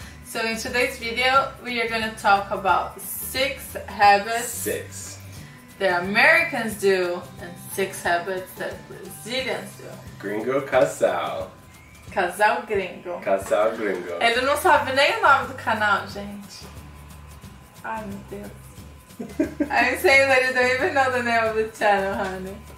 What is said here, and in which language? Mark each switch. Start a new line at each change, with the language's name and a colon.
English: So, in today's video, we are going to talk about six habits that Americans do and six habits that Brazilians do.
Portuguese: Gringo Casal. Casal Gringo. Casal Gringo. Ele não sabe nem o nome do canal, gente. Ai, meu Deus.
English: I'm saying that you don't even know the name of the channel, honey.